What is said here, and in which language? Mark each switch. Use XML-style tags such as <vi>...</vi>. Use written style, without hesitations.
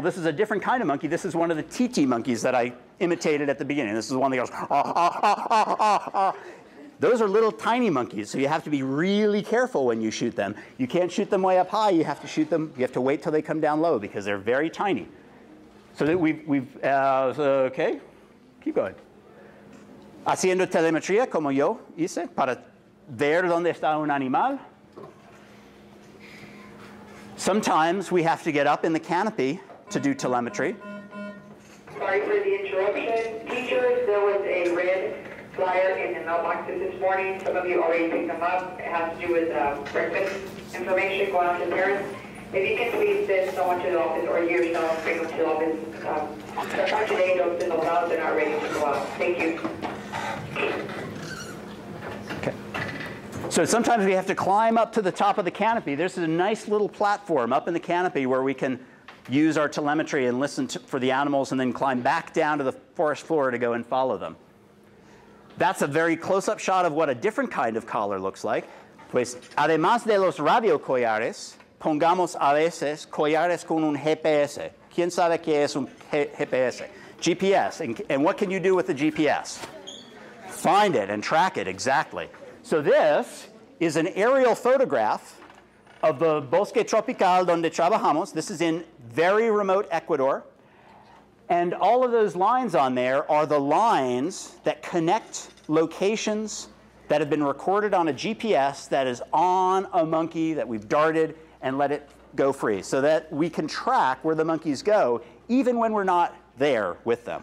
<en>This is a different kind of monkey. This is one of the titi monkeys that I imitated at the beginning. This is the one that goes, ah, ah, ah, ah, ah, ah. Those are little tiny monkeys, so you have to be really careful when you shoot them. You can't shoot them way up high. You have to shoot them. You have to wait till they come down low because they're very tiny. So that okay, keep going.</en> <es>Haciendo telemetría como yo hice para ver dónde está un animal.</es> <en>Sometimes we have to get up in the canopy to do telemetry. Sorry for the interruption. Teachers, there was a red flyer in the mailboxes this morning. Some of you already picked them up. It has to do with breakfast information going out to parents. If you can please send someone to the office or yourself, bring them to the office. Start today, don't send them out. They're not ready to go out. Thank you. So sometimes we have to climb up to the top of the canopy. There's a nice little platform up in the canopy where we can use our telemetry and listen for the animals and then climb back down to the forest floor to go and follow them. That's a very close-up shot of what a different kind of collar looks like.</en> <es>Pues, además de los radio collares, pongamos a veces collares con un GPS. ¿Quién sabe qué es un GPS? GPS.</es> <en>And what can you do with the GPS? Find it and track it, exactly. So this is an aerial photograph of the</en> <es>bosque tropical donde trabajamos.</es> <en>This is in very remote Ecuador. And all of those lines on there are the lines that connect locations that have been recorded on a GPS that is on a monkey that we've darted and let it go free so that we can track where the monkeys go even when we're not there with them.</en>